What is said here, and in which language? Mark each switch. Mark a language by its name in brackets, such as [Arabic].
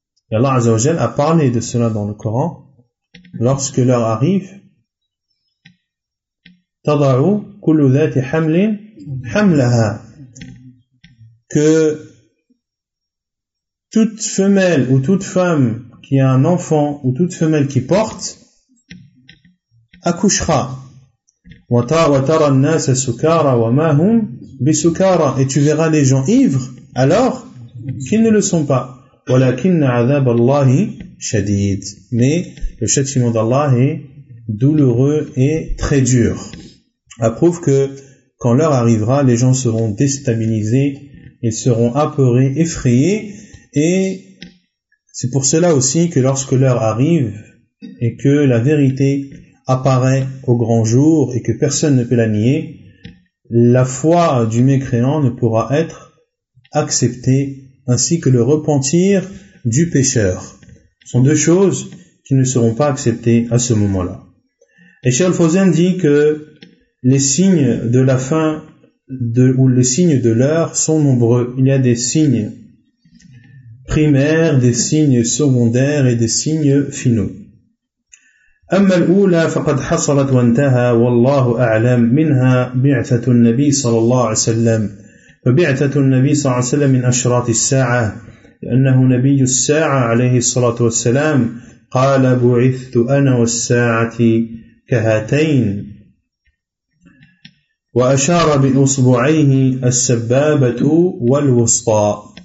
[French] Et Allah Azza wa Jal a parlé de cela dans le Coran. Lorsque l'heure arrive, [Arabic] tadaru kullu dhati hamlin hamlaha, [French] que toute femelle ou toute femme qui a un enfant ou toute femelle qui porte accouchera. [Arabic] وترى الناس سكارى وما هم بسكارى. [French] Et tu verras les gens ivres alors qu'ils ne le sont pas. [Arabic] ولكن عذاب الله شديد. [French] Mais le châtiment d'Allah est douloureux et très dur. Approuve que quand l'heure arrivera, les gens seront déstabilisés, ils seront apeurés, effrayés, et c'est pour cela aussi que lorsque l'heure arrive et que la vérité apparaît au grand jour et que personne ne peut la nier, la foi du mécréant ne pourra être acceptée, ainsi que le repentir du pécheur. Ce sont deux choses qui ne seront pas acceptées à ce moment-là. Et Cheikh Al-Fawzan dit que les signes de la fin de, ou les signes de l'heure sont nombreux. Il y a des signes primaires, des signes secondaires et des signes finaux. [Arabic] أما الأولى فقد حصلت وانتهى والله أعلم منها بعثة النبي صلى الله عليه وسلم فبعثة النبي صلى الله عليه وسلم من أشراط الساعة لأنه نبي الساعة عليه الصلاة والسلام قال بعثت أنا والساعة كهاتين وأشار بأصبعيه السبابة والوسطى.